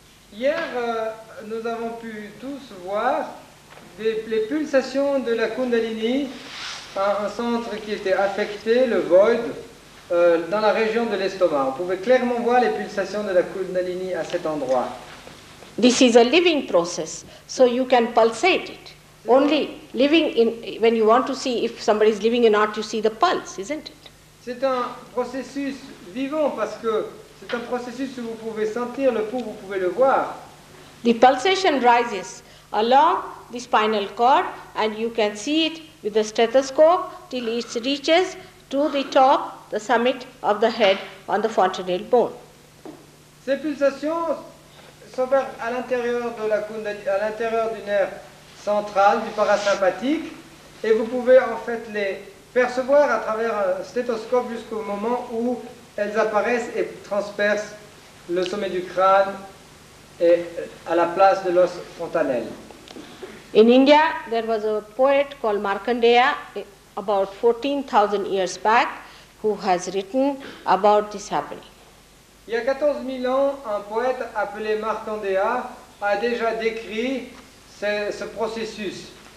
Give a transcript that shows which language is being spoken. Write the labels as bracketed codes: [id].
[fr] Hier, nous avons pu tous voir les pulsations de la Kundalini à un centre qui était affecté, le void, dans la région de l'estomac. On pouvait clairement voir les pulsations de la Kundalini à cet endroit. [en] This is a living process, so you can pulsate it. Only living in, when you want to see if somebody is living or not, you see the pulse, isn't it? [fr] C'est un processus vivant parce que c'est un processus où vous pouvez sentir le pouls, vous pouvez le voir. [en] The pulsation rises along the spinal cord and you can see it with the stethoscope till it reaches to the top, the summit of the head on the fontanelle bone. [fr] Ces pulsations s'opèrent à l'intérieur de la Kundalini, à l'intérieur du nerf central, du parasympathique, et vous pouvez en fait les percevoir à travers un stéthoscope jusqu'au moment où elles apparaissent et transpercent le sommet du crâne et à la place de l'os fontanelle. [en] In India, there was a poet called Markandeya about 14,000 years back who has written about this happening. [fr] Il y a 14 000 ans, un poète appelé Markandeya a déjà décrit ce processus.